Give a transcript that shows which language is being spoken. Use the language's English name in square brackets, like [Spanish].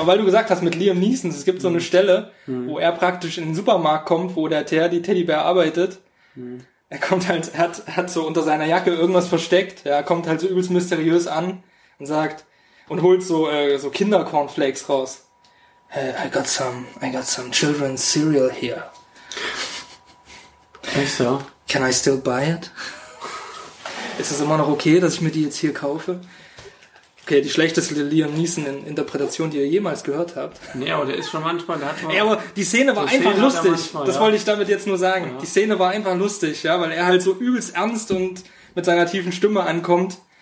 [German] Auch weil du gesagt hast, mit Liam Neeson, es gibt so eine Stelle, wo er praktisch in den Supermarkt kommt, wo der Teddybär arbeitet. Mhm. Er kommt halt, hat so unter seiner Jacke irgendwas versteckt. Er kommt halt so übelst mysteriös an und sagt und holt so Kinder-Cornflakes raus. [English] Hey, I got some children's cereal here. [German] Echt so? [English] Can I still buy it? [German] Ist es immer noch okay, dass ich mir die jetzt hier kaufe? Okay, die schlechteste Liam Neeson-Interpretation, die ihr jemals gehört habt. Nee, aber der ist schon manchmal, der hat mal. Ja, aber die Szene war einfach lustig. Das wollte ich damit jetzt nur sagen. Ja. Die Szene war einfach lustig, ja, weil er halt so übelst ernst und mit seiner tiefen Stimme ankommt.